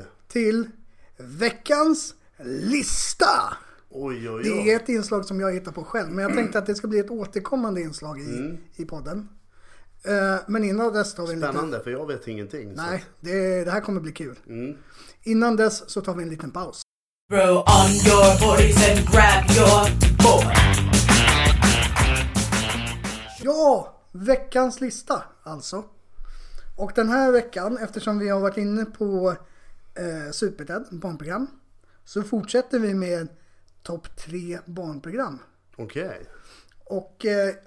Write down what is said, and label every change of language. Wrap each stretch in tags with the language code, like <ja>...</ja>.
<sv>till veckans lista. Oj, oj, oj. Det är ett inslag som jag hittar på själv, men jag tänkte att det ska bli ett återkommande inslag i podden. Men innan dess tar vi en spännande, för jag vet ingenting. Nej, så. Det här kommer bli kul. Mm. Innan dess så tar vi en liten paus.</sv> <en>Throw on your voice and grab your boy.</en> <sv>Ja, veckans lista alltså. Och den här veckan, eftersom vi har varit inne på Superdead, barnprogram, så fortsätter vi med topp 3 barnprogram. Okej. Okay.</sv>